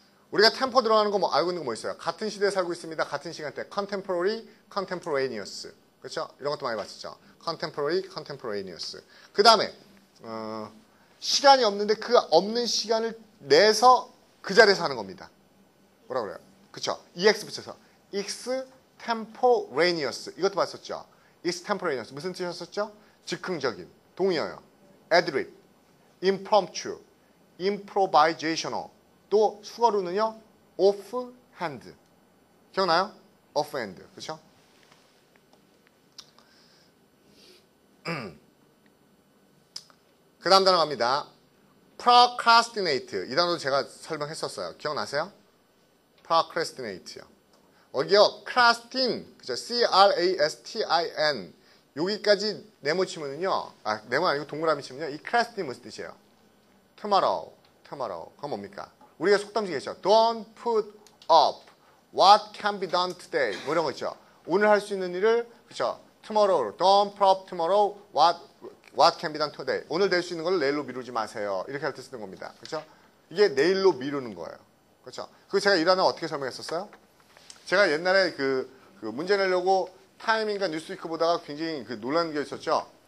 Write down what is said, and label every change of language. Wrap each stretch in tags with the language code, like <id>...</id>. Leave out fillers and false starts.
<ko>우리가 템포 들어가는 거 뭐 알고 있는 거 뭐 있어요? 같은 시대에 살고 있습니다. 같은 시간대.</ko> <en>Contemporary, contemporaneous.</en> <ko>그렇죠? 이런 것도 많이 봤었죠.</ko> <en>Contemporary, contemporaneous.</en> <ko>그 다음에 시간이 없는데 그 없는 시간을 내서 그 자리에서 하는 겁니다. 뭐라 그래요? 그렇죠?</ko> <en>EX 붙여서 extemporaneous.</en> <ko>이것도 봤었죠? extemporaneous. 무슨 뜻이었었죠? 즉흥적인. 동의어요. Adlib. Impromptu. improvisational. 또 수거로는요. offhand. 기억나요? offhand. 그렇죠? 그 다음 단어 갑니다. procrastinate. 이 단어도 제가 설명했었어요. 기억나세요? procrastinate요. 여기요. crastin. 그렇죠?</ko> <en>c-r-a-s-t-i-n.</en> <ko>여기까지 네모 치면은요. 아, 네모 아니고 동그라미 치면요. 이 crastin 무슨 뜻이에요? tomorrow. 참아라고. 그건 뭡니까? 우리가 속담지겠죠.</ko> <en>Don't put up what can be done today.</en> <ko>뭐 이런 거 있죠. 오늘 할 수 있는 일을 그렇죠.</ko> <en>Tomorrow. Don't put up tomorrow what can be done today.</en> <ko>오늘 될 수 있는 걸 내일로 미루지 마세요. 이렇게 할 때 쓰는 겁니다. 그렇죠? 이게 내일로 미루는 거예요. 그렇죠? 그 제가 이 단어 어떻게 설명했었어요? 제가 옛날에 그 문제 내려고 타이밍과 뉴스위크 보다가 굉장히 그 놀란 게 있었죠.</ko>